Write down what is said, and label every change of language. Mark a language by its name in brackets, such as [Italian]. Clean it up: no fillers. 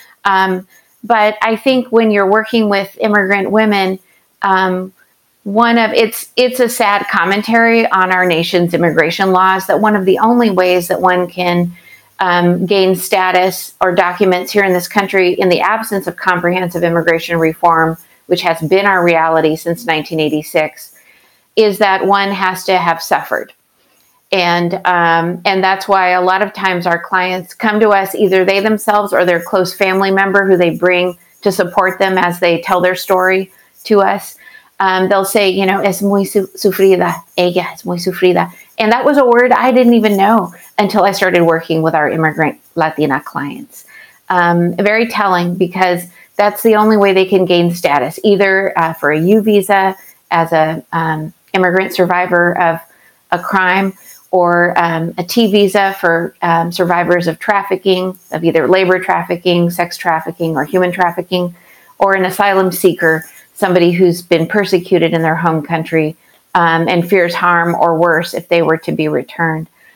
[English] But I think when you're working with immigrant women, it's a sad commentary on our nation's immigration laws that one of the only ways that one can gain status or documents here in this country in the absence of comprehensive immigration reform, which has been our reality since 1986, is that one has to have suffered. And that's why a lot of times our clients come to us, either they themselves or their close family member who they bring to support them as they tell their story to us. They'll say, you know, [Spanish] es muy sufrida, ella es muy sufrida. [English] And that was a word I didn't even know until I started working with our immigrant Latina clients. Very telling, because that's the only way they can gain status, either for a U visa as a immigrant survivor of a crime, or a T visa for survivors of trafficking, of either labor trafficking, sex trafficking, or human trafficking, or an asylum seeker, somebody who's been persecuted in their home country and fears harm or worse if they were to be returned.